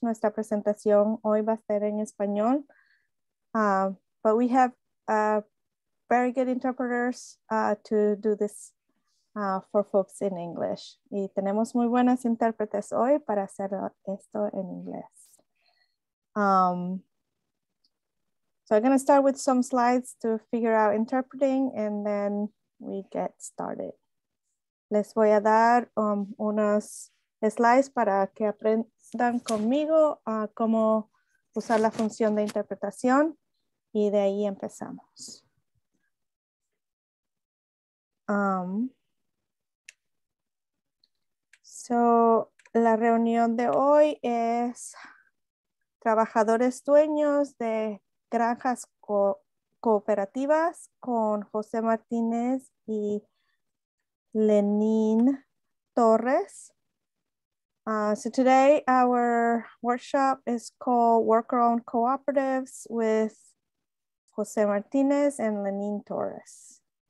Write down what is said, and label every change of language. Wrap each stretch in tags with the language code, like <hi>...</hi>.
<es>Nuestra presentación hoy va a ser en español.</es> <en>But we have very good interpreters to do this for folks in English.</en> <es>Y tenemos muy buenas intérpretes hoy para hacer esto en inglés.</es> <en>So I'm going to start with some slides to figure out interpreting and then we get started.</en> <es>Les voy a dar unos slides para que aprendan conmigo cómo usar la función de interpretación y de ahí empezamos. So la reunión de hoy es trabajadores dueños de granjas cooperativas con José Martinez y Leninn Torres.</es> <en>So today our workshop is called Worker-Owned Cooperatives with José Martinez and Leninn Torres.</en>